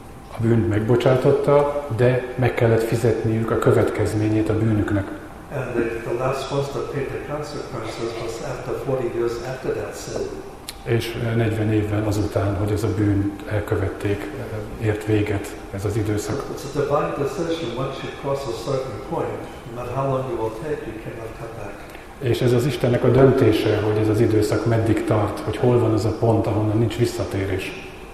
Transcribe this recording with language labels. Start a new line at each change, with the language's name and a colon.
Hungarian: A bűnt megbocsátotta, de meg kellett fizetniük a következményét a bűnüknek.
English: And the last ones that paid the consequences was after 40 years after that sin.
Hungarian: És 40 évvel azután, hogy ez a bűn elkövették, ért véget ez az időszak.
English: It's a divine decision once you cross a certain point, not how long you will take, you cannot come back.
Hungarian: És ez az Istennek a döntése, hogy ez az időszak meddig tart, hogy hol van az a pont, ahonnan nincs visszatérés.